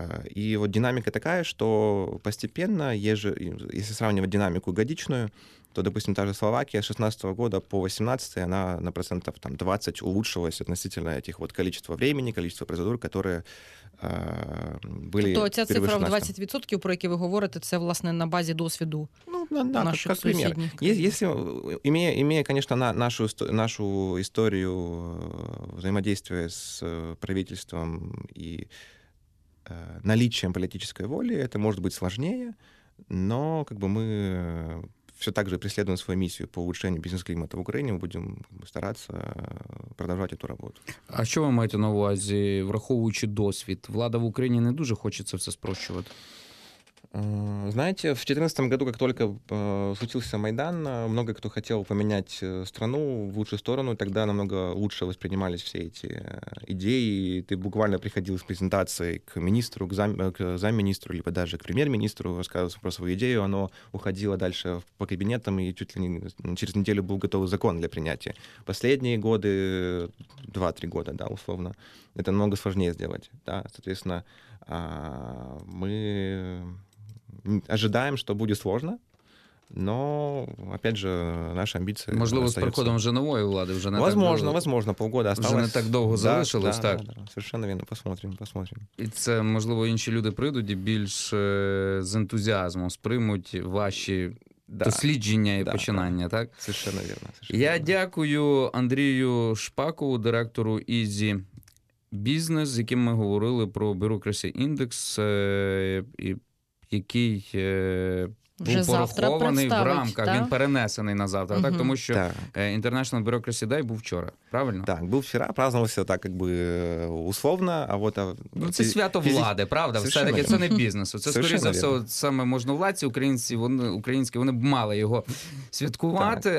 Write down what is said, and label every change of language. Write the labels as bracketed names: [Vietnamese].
[Russian] И вот динамика такая, что постепенно, если сравнивать динамику годичную, то, допустим, та же Словакия с 2016 года по 2018 она на процентов там, 20 улучшилась относительно этих вот количества времени, количества процедур, которые были. [Ukrainian] То [Russian] эта цифра [Ukrainian] в 20%, про які ви говорите, це, власне, на базі досвіду. [Russian] Как пример. Имея, конечно, нашу историю взаимодействия с правительством и наличием политической воли, это может быть сложнее, но как бы мы все так же преследуем свою миссию по улучшению бизнес-климата в Украине, мы будем стараться продовжувати эту работу. [Ukrainian] А що ви маєте на увазі, враховуючи досвід? Влада в Україні не дуже хочеться все спрощувати. [Russian] Знаете, в 2014 году, как только случился Майдан, много кто хотел поменять страну в лучшую сторону, и тогда намного лучше воспринимались все эти идеи. Ты буквально приходил с презентацией к министру, к замминистру, либо даже к премьер-министру, рассказывал про свою идею, оно уходило дальше по кабинетам, и чуть ли не через неделю был готов закон для принятия. Последние годы, 2-3 года, да, условно, это намного сложнее сделать. Да? Соответственно, мы... [Ukrainian] Ожидаємо, що буде складно, але, [Russian] опять же, [Ukrainian] наша амбіція. Можливо, остається. З приходом вже нової влади вже не [Russian] возможно, так. Можливо, полгода осталось. [Ukrainian] Вже не так довго залишилось, так? [Russian] Да. Совершенно [Ukrainian] вірно, [Russian] посмотрим. [Ukrainian] І це, можливо, інші люди прийдуть і більш з ентузіазмом сприймуть ваші дослідження і починання, так? [Russian] Совершенно [Ukrainian] вірно. Я дякую Андрію Шпакову, директору Easy Business, з яким ми говорили про Bureaucracy Index і який був порахований в рамках, він перенесений на завтра, так, тому що International Bureaucracy Day був вчора, правильно? Так, був вчора, празнувався так, якби условно, а от... Ну, це свято влади, правда, все-таки це не бізнес. Це, скоріше за все, саме можновладці українські, вони б мали його святкувати.